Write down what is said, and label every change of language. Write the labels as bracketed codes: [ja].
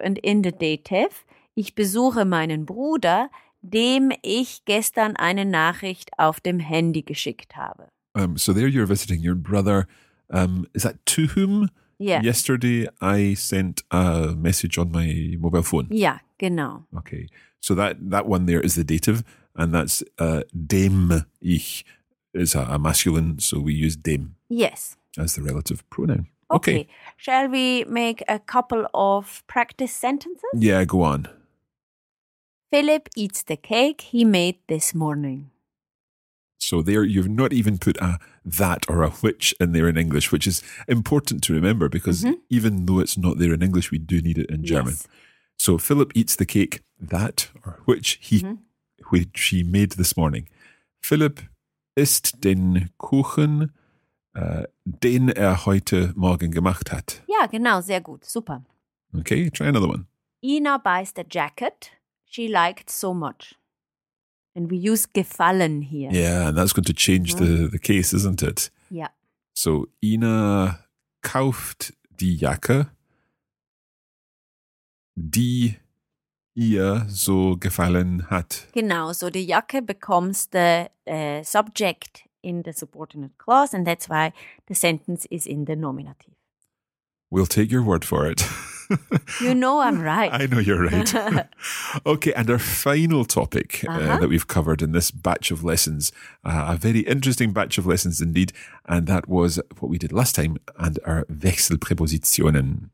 [en] And in the dative, [de] ich besuche meinen Bruder, dem ich gestern eine Nachricht auf dem Handy geschickt habe. [en] So there you're visiting your brother. Is that to whom? Yeah. Yesterday I sent a message on my mobile phone. Yeah, [de] genau. [en] Okay. So that one there is the dative, and that's dem ich is a masculine, so we use dem. Yes. As the relative pronoun. Okay. Shall we make a couple of practice sentences? Yeah, go on. Philip eats the cake he made this morning. So there, you've not even put a that or a which in there in English, which is important to remember because even though it's not there in English, we do need it in German. Yes. So Philip eats the cake that or which he made this morning. [de] Philip isst den Kuchen, den heute Morgen gemacht hat. [en] Yeah, [de] genau, sehr gut, super. [en] Okay, try another one. Ina buys the jacket she liked so much. And we use gefallen here. Yeah, and that's going to change the case, isn't it? Yeah. [de] So Ina kauft die Jacke, die ihr so gefallen hat. Genau, [en] so die Jacke becomes the subject in the subordinate clause, and that's why the sentence is in the nominative. We'll take your word for it. You know I'm right. I know you're right. Okay, and our final topic that we've covered in this batch of lessons, a very interesting batch of lessons indeed, and that was what we did last time and our Wechselpräpositionen.